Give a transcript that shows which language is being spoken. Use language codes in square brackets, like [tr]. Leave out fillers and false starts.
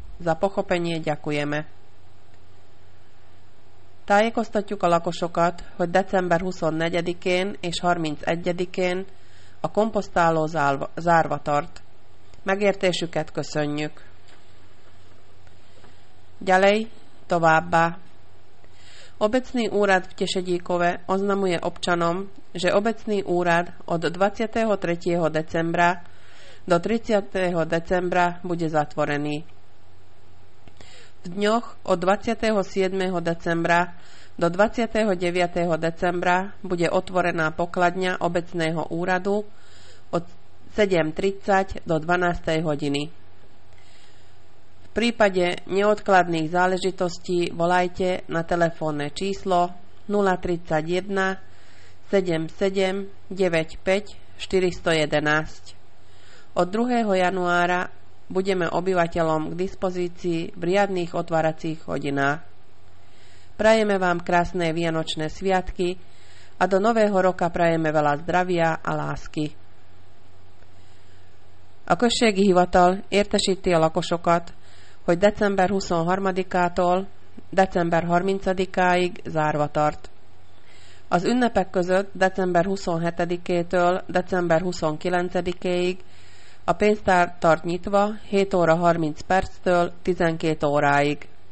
[sk] Za pochopenie ďakujeme. [hu] Tájékoztatjuk a lakosokat, hogy december 24-én és 31-én a komposztáló zárva tart. Megértésüket köszönjük. [sk] Ďalej továbbá. Obecný úrad v Tešedíkove oznamuje občanom, že obecný úrad od 23. decembra do 30. decembra bude zatvorený. V dňoch od 27. decembra do 29. decembra bude otvorená pokladňa obecného úradu od 7.30 do 12. hodiny. V prípade neodkladných záležitostí volajte na telefónne číslo 031 77 95 411. Od 2. januára budeme obyvateľom k dispozícii v riadnych otváracích hodinách. Prajeme vám krásne vianočné sviatky a do nového roka prajeme veľa zdravia a lásky. [hu] A községi hivatal értesíti a lakosokat, hogy december 23-tól december 30-áig zárva tart. Az ünnepek között december 27-től december 29-éig a pénztár tart nyitva 7 óra 30 perctől 12 óráig.